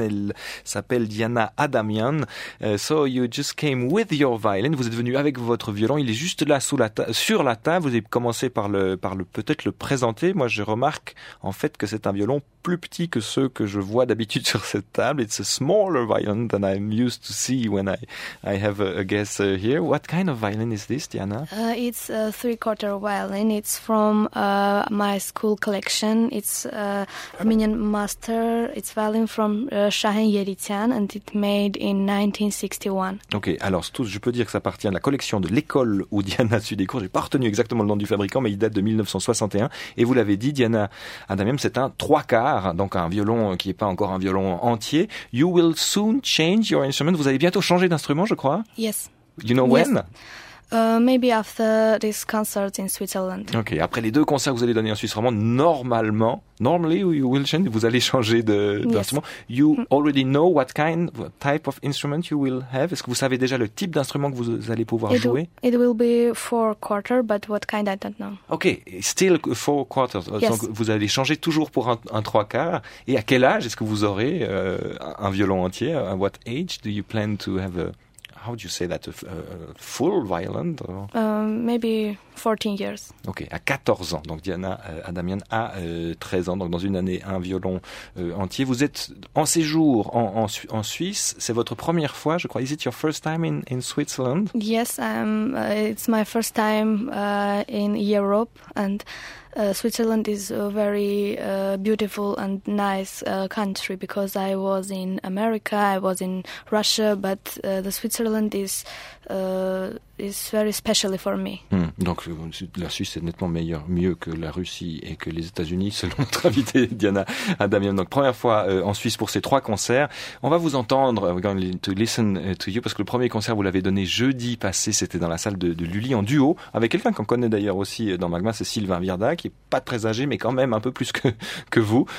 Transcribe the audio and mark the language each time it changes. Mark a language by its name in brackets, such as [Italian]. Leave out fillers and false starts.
[French] Elle s'appelle Diana Adamyan. [English] So you just came with your violin. [French] Vous êtes venue avec votre violon. Il est juste là sous la sur la table. Vous avez commencé par peut-être le présenter. Moi, je remarque en fait que c'est un violon plus petit que ceux que je vois d'habitude sur cette table. [English] It's a smaller violin than I'm used to see when I have a guest here. What kind of violin is this, Diana? It's a three-quarter violin. It's from my school collection. It's Armenian master. It's violin from Shahin Yeritsyan, and it made in 1961. [French] Okay, alors je peux dire que ça appartient à la collection de l'école où Diana suit des cours. J'ai pas retenu exactement le nom du fabricant, mais il date de 1961. Et vous l'avez dit, Diana Adamyan, c'est un trois quarts, donc un violon qui n'est pas encore un violon entier. [English] You will soon change your instrument. [French] Vous allez bientôt changer d'instrument, je crois. [English] Yes. You know when? Yes. Maybe after this concert in Switzerland. [French] Okay, après les deux concerts que vous allez donner en Suisse romande, [English] normally you will change, [French] vous allez changer d'instrument. [English] Yes. You already know what type of instrument you will have. [French] Est-ce que vous savez déjà le type d'instrument que vous allez pouvoir jouer? [English] It will be four quarters, but what kind I don't know. Okay, still four quarters. Yes. [French] Donc vous allez changer toujours pour un trois quarts. Et à quel âge est-ce que vous aurez un violon entier? [English] At what age do you plan to have how do you say that, a full violin? Maybe 14 years. [French] Ok, à 14 ans. Donc Diana Adamyan a 13 ans, donc dans une année, un violon entier. Vous êtes en séjour en Suisse. C'est votre première fois, je crois. [English] Is it your first time in Switzerland? Yes, it's my first time in Europe. And Switzerland is a very beautiful and nice country because I was in America, I was in Russia, but the Switzerland is very specially for me. Mm. [French] Donc la Suisse est nettement mieux que la Russie et que les États-Unis selon notre invité Diana Adamyan. Donc première fois en Suisse pour ces trois concerts. On va vous entendre, [English] we're going to listen to you, [French] parce que le premier concert vous l'avez donné jeudi passé, c'était dans la salle de Lully en duo avec quelqu'un qu'on connaît d'ailleurs aussi dans Magma, c'est Sylvain Virda, qui n'est pas très âgé mais quand même un peu plus que vous.